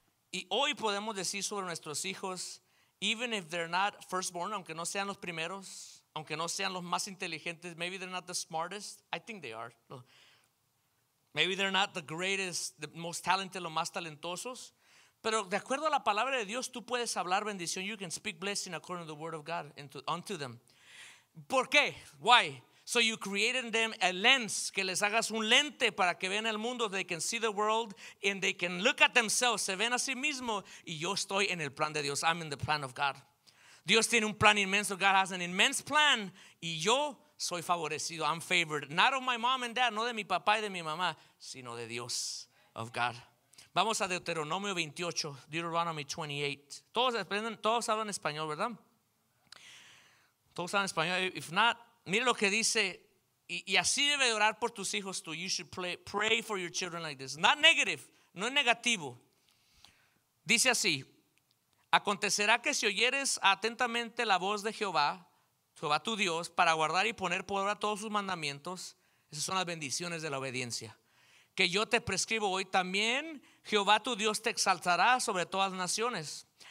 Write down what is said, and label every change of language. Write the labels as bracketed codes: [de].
[es] Y hoy podemos decir sobre nuestros hijos, [en] even if they're not firstborn, [es] aunque no sean los primeros, aunque no sean los más inteligentes, [en] maybe they're not the smartest. I think they are. Maybe they're not the greatest, the most talented, [es] los más talentosos. Pero de acuerdo a la palabra de Dios, tú puedes hablar bendición. [en] You can speak blessing according to the word of God unto them. [es] ¿Por qué? [en] Why? So you created them a lens, [es] que les hagas un lente para que vean el mundo. [en] They can see the world and they can look at themselves. [es] Se ven a sí mismos y yo estoy en el plan de Dios. [en] I'm in the plan of God. [es] Dios tiene un plan inmenso. [en] God has an immense plan [es] y yo soy favorecido. [en] I'm favored. Not of my mom and dad, [es] no de mi papá y de mi mamá, sino de Dios, [en] of God. [es] Vamos a Deuteronomio 28, Deuteronomy 28. Todos hablan español, ¿verdad? Todos hablan español. [en] If not, [es] mire lo que dice, y así debe orar por tus hijos tú. [en] You should pray for your children like this. Not negative, [es] no es negativo. Dice así: acontecerá que si oyeres atentamente la voz de Jehová, Jehová tu Dios, para guardar y poner por obra todos sus mandamientos, esas son las bendiciones de la obediencia, que yo te prescribo hoy, también Jehová tu Dios te exaltará sobre todas las naciones.